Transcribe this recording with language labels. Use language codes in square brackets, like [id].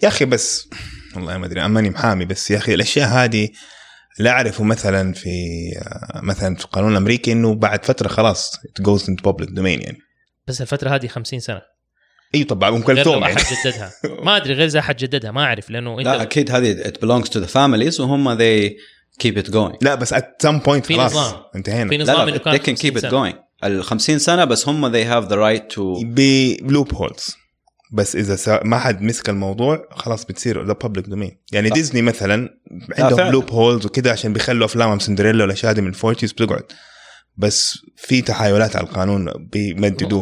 [ar] يا اخي بس والله ما ادري اماني محامي بس يا اخي الاشياء هذه لا اعرفه مثلا في القانون الامريكي انه بعد فتره خلاص [en] it goes into public domain [ar] يعني بس الفتره هذه 50 سنه اي طبعا ممكن ثوم يعني. جددها ما ادري غير اذا احد جددها ما اعرف لانه لا اكيد هذه [en] it belongs to the families [ar] وهم [en] they keep it going [ar] لا بس [en] at some point [ar] خلاص انتهينا لا [en] they can keep it going [ar] ال 50 سنه بس هم [en] they have the right to be loopholes [ar] بس اذا ما حد مسك الموضوع خلاص بتصير [en] the public domain [ar] يعني لا. ديزني مثلا عندهم loopholes وكده عشان بيخلوا افلام سندريلا ولا شادي من 40s بتقعد بس في تحايلات على القانون بيمددوه